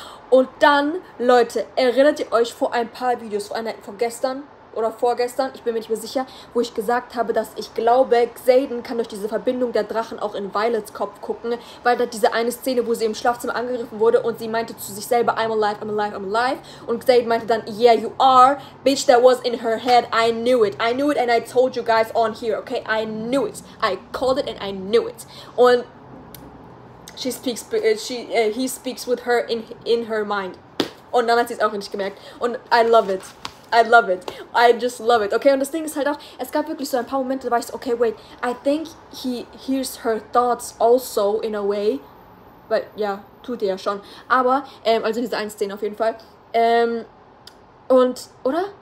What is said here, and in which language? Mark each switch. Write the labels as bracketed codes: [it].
[de] Und dann, Leute, erinnert ihr euch vor ein paar Videos, von gestern oder vorgestern, ich bin mir nicht mehr sicher, wo ich gesagt habe, dass ich glaube, Zayden kann durch diese Verbindung der Drachen auch in Violets Kopf gucken, weil da diese eine Szene, wo sie im Schlafzimmer angegriffen wurde und sie meinte zu sich selber, [en] I'm alive. [de] Und Zayden meinte dann, [en] yeah, you are. Bitch, that was in her head. I knew it and I told you guys on here, okay? I knew it. I called it and I knew it. Und he speaks with her in her mind. [de] Und dann hat sie es auch nicht gemerkt. Und [en] I love it. I just love it. [de] Okay, und das Ding ist halt auch, es gab wirklich so ein paar Momente, da war ich so, okay, [en] wait, I think he hears her thoughts also in a way. [de] Weil, ja, tut er ja schon. Aber, also diese eine Szene auf jeden Fall. Und, oder?